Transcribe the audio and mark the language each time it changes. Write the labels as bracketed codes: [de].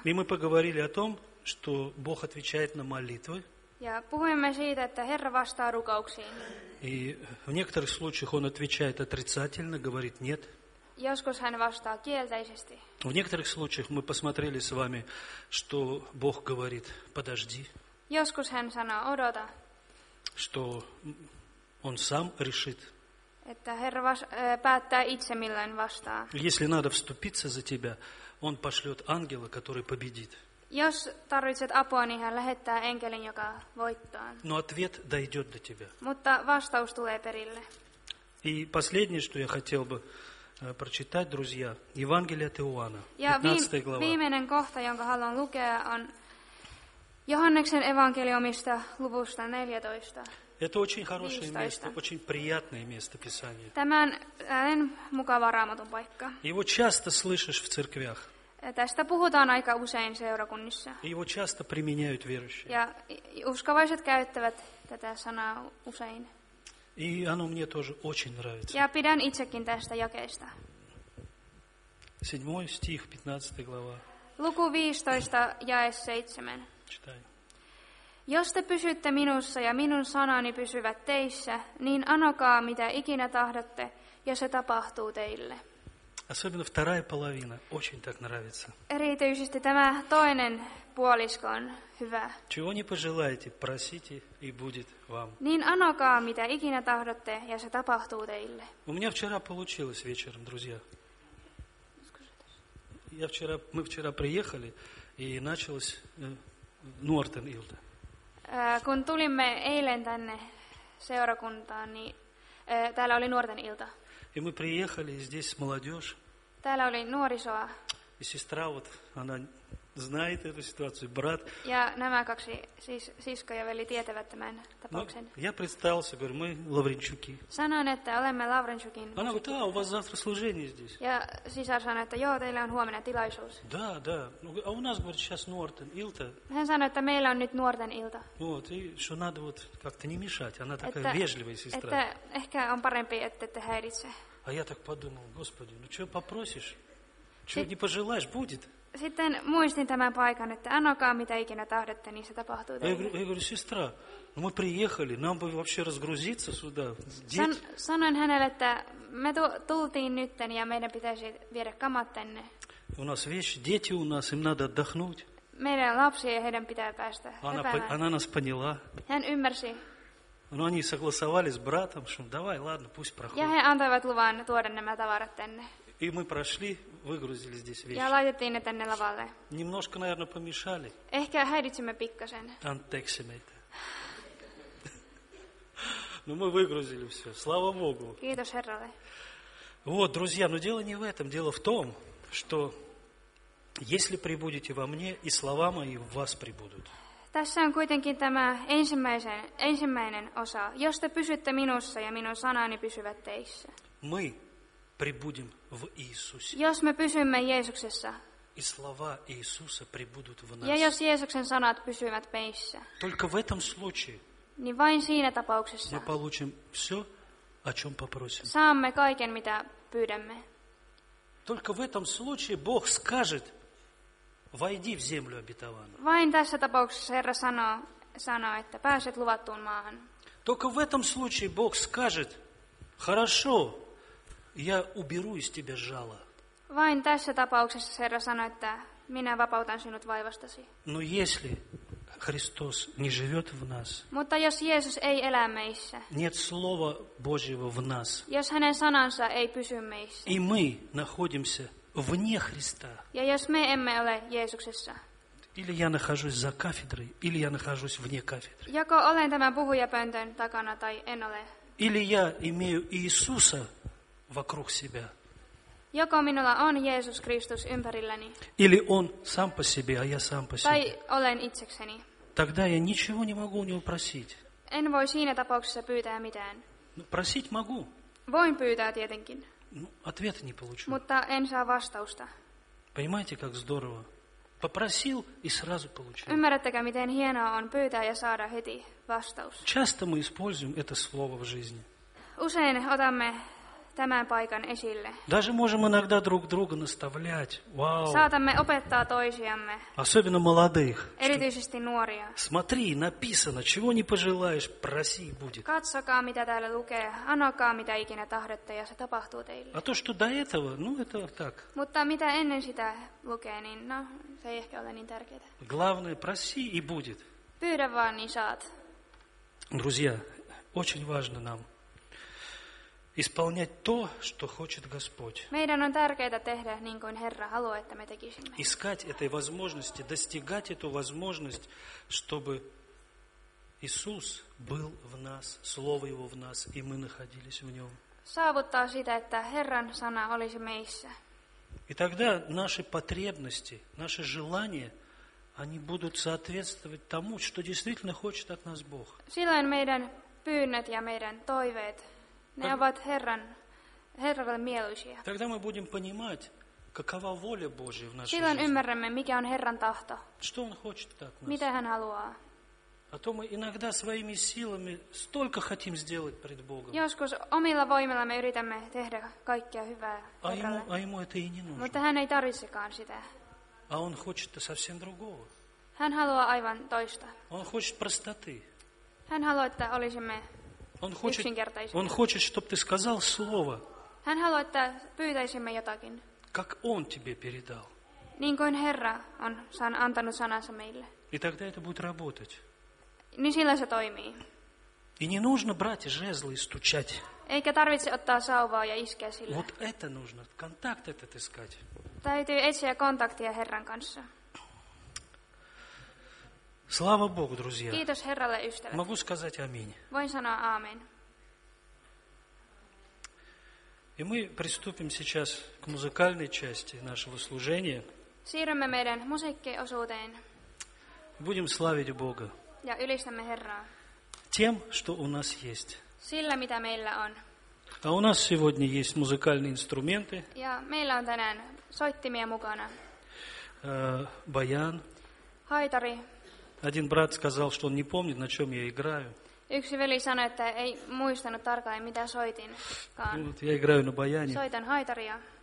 [ru] И мы поговорили о том, что Бог отвечает на молитвы. [fi] Ja puhuimme siitä, että Herra vastaa rukouksiin. [ru] И в некоторых случаях он отвечает отрицательно, говорит нет. [fi] Joskus hän vastaa kielteisesti. [ru] В некоторых случаях мы посмотрели с вами, что Бог говорит подожди. [fi] Joskus hän sanoo odota. [ru] Что он сам решит. [fi] Että Herra päättää itse, milloin vastaa. [ru] Если надо вступиться за тебя, он пошлет ангела, который победит. [fi] Jos tarvitset apua, niin hän lähettää enkelin, joka voittaa. [ru] Но ответ дойдет до тебя. [fi] Mutta vastaus tulee perille. [ru] И последнее, что я хотел бы прочитать, друзья, Евангелие от Иоанна, 15 глава. [fi] Viimeinen kohta, jonka haluan lukea, on Johanneksen evankeliumista luvusta 14. [ru] Это очень хорошее 15. место, очень приятное место Писания. [fi] Tämän on mukava Raamatun paikka. [ru] Его часто слышишь в церквях. [fi] Tästä puhutaan aika usein seurakunnissa. [ru] Его часто применяют верующие. [fi] Ja uskovaiset käyttävät tätä sanaa usein. [ru] И оно мне тоже очень нравится. [fi] Ja pidän itsekin tästä jakeesta. [ru] 7 стих, 15 глава. [fi] Luku 15, jae 7. [ru] Читай. [fi] Jos te pysytte minussa ja minun sanani pysyvät teissä, niin anokaa mitä ikinä tahdotte, ja se tapahtuu teille. [ru] Особенно вторая половина очень так нравится. [fi] Erityisesti tämä toinen puolisko on hyvä. [ru] Чего не пожелаете, просите и будет вам. [fi] Niin anokaa mitä ikinä tahdotte, ja se tapahtuu teille. [ru] У меня вчера получилось вечером, друзья. Я вчера мы вчера приехали и началось Нортен Илда. [fi] Kun tulimme eilen tänne seurakuntaan, niin täällä oli nuorten ilta. [ru] И мы приехали, здесь молодежь. [fi] Täällä oli nuorisoa. [ru] И сестра, вот, она знает эту ситуацию, брат. [fi] Ja nämä kaksi, siis sisko ja veli, tietävät tämän tapauksen. [ru] Я представился, говорю, мы Лавренчуки. [fi] Sanoin, että olemme Лавренчукин. [ru] Она говорит, да, у вас завтра служение здесь. [fi] Ja sisar sanoi, että joo, teillä on huomenna tilaisuus. [ru] Да, да. А у нас, говорит, сейчас [fi] нуорten ilta. Hän sanoi, että meillä on nyt nuorten ilta. [ru] Вот, и что надо вот как-то не мешать. Она такая вежливая сестра. [fi] Että ehkä on parempi, että te häiritse. [ru] А я так подумал, Господи, ну что попросишь? Что не пожелаешь, будет. [fi] Sitten muistin tämän paikan, että anokaa mitä ikinä tahdotte, niin se tapahtuu teille. [ru] Я говорю, сестра, мы приехали, нам бы вообще разгрузиться сюда. [fi] Sanoin hänelle, että me tultiin nytten ja meidän pitäisi viedä kamat tänne. [ru] У нас вещи, дети у нас, им надо отдохнуть. [fi] Meidän лапси ja heidän pitää päästä höpäämään. [ru] Она нас поняла. [fi] Hän ymmärsi. [ru] Но они согласовали с братом, что давай, ладно, пусть проходит. [fi] Ja he antoivat luvan tuoda nämä tavarat tänne. [ru] И мы прошли, выгрузили здесь вещи. [fi] Ja laitettiin ne tänne lavalle. [ru] Немножко, наверное, помешали. [fi] Ehkä häiritsimme pikkasen. Anteeksi meitä. [ru] Но мы выгрузили все. Слава Богу. [fi] Kiitos Herralle. [ru] Вот, друзья, но дело не в этом. Дело в том, что если прибудете во мне, и слова мои в вас прибудут. [fi] Tässä on kuitenkin tämä ensimmäinen osa. Jos te pysytte minussa ja minun sanani pysyvät teissä. [ru] Мы прибудем в Иисусе. [fi] Jos me pysymme Jeesuksessa. [ru] И слова Иисуса прибудут в нас. [fi] Ja jos Jeesuksen sanat pysyvät meissä. [ru] Только в этом случае. [fi] Niin vain siinä tapauksessa. [ru] Мы получим все, о чем попросим. [fi] Saamme kaiken, mitä pyydämme. [ru] Только в этом случае Бог скажет: войди в землю обетованную. [fi] Vain tässä tapauksessa Herra sanoo, sanoo, että pääset luvattuun maahan. [ru] Только в этом случае Бог скажет: "Хорошо, я уберу из тебя жало". [fi] Vain tässä tapauksessa Herra sanoo, että minä vapautan sinut vaivastasi. [ru] Но если Христос не живёт в нас. [fi] Mutta jos Jeesus ei elä meissä. [ru] Нет слова Божьего в нас. [fi] Jos hänen sanansa ei pysy meissä. [ru] И мы находимся вне Христа. [fi] Ja jos me emme ole Jeesuksessa. [ru] Или я нахожусь за кафедрой, или я нахожусь вне кафедры. [fi] Joko olen tämän puhujapöntön takana tai en ole. [ru] Или я имею Иисуса вокруг себя. [fi] Joko minulla on Jeesus Kristus ympärilläni. [ru] Или он сам по себе, а я сам по себе. [fi] Tai olen itsekseni. [ru] Тогда я ничего не могу у него просить. [fi] En voi siinä tapauksessa pyytää mitään. [ru] No, просить могу. [fi] Voin pyytää tietenkin. [ru] No, ответа не получу. [fi] Mutta en saa vastausta. [ru] Понимаете, как здорово? Попросил и сразу получил. [fi] Ymmärrättekö, miten hienoa on pyytää ja saada heti vastaus? [ru] Часто мы используем это слово в жизни. [fi] Usein otamme tämän paikan esille. [ru] Даже можем иногда друг друга наставлять. Вау. [fi] Saatamme opettaa toisiamme. [ru] Особенно молодых. [fi] Erityisesti nuoria. [ru] Смотри, написано, чего не пожелаешь, проси и будет. [fi] Katsokaa, mitä täällä lukee. Anokaa, mitä ikinä tahdotte, ja se tapahtuu teille. [ru] А то, что до этого, ну это так. [fi] Mutta mitä ennen sitä lukee, niin no, se ei ehkä ole niin tärkeää. [ru] Главное, проси и будет. [fi] Pyydä vaan, niin saat. [ru] Друзья, очень важно нам исполнять то, что хочет Господь. [fi] Meidän on tärkeää tehdä niin kuin Herra haluaa, että me tekisimme. [ru] Искать этой возможности, достигать эту возможность, чтобы Иисус был в нас, Слово Его в нас, и мы находились в Нем. [fi] Saavuttaa sitä, että Herran sana olisi meissä. [ru] И тогда наши потребности, наши желания, они будут соответствовать тому, что действительно хочет от нас Бог. [fi] Silloin meidän pyynnöt ja meidän toiveet, ne ovat Herralle mieluisia. [ru] Тогда мы будем понимать, какова воля Божия в нашей жизни. [fi] Silloin ymmärrämme, mikä on Herran tahto. [ru] Что Он хочет от нас? [fi] Mitä Hän haluaa? [ru] А то мы иногда своими силами столько хотим сделать пред Богом. [fi] Joskus omilla voimilla me yritämme tehdä kaikkea hyvää Herralle. [ru] А ему это и не нужно. [fi] Mutta Hän ei tarvitsekaan sitä. [ru] А Он хочет совсем другого. [fi] Hän haluaa aivan toista. [ru] Он хочет простоты. [fi] Hän haluaa, että olisimme. [ru] Он хочет, чтобы ты сказал слово. [fi] Hän haluaa, että pyytäisimme jotakin. [ru] Как Он тебе передал. [fi] Niin kuin Herra on antanut sanansa meille. [ru] И тогда это будет работать. [fi] Niin sillä se toimii. [ru] И не нужно брать жезлы и стучать. [fi] Eikä tarvitse ottaa sauvaa ja iskeä sillä. [ru] Вот это нужно. Контакт этот искать. [fi] Täytyy etsiä kontaktia Herran kanssa. [ru] Слава Богу, друзья. [fi] Kiitos Herralle, ystävät. [ru] Могу сказать аминь. [fi] Voin sanoa аамен. [ru] И мы приступим сейчас к музыкальной части нашего служения. [fi] Siirrymme meidän musiikkiosuuteen. [ru] Будем славить Бога. [fi] Ja ylistämme Herraa. [ru] Тем, что у нас есть. [fi] Sillä, mitä meillä on. [ru] А у нас сегодня есть музыкальные инструменты. [fi] Ja meillä on tänään soittimia mukana. [ru] Баян. [fi] Хайтари. [ru] Один брат сказал, что он не помнит, на чем я играю. [fi] Yksi veli sanoi, että ei muistanut tarkalleen, mitä soitinkaan. [ru] Вот, я играю на баяне. [fi] Soitan хайтария.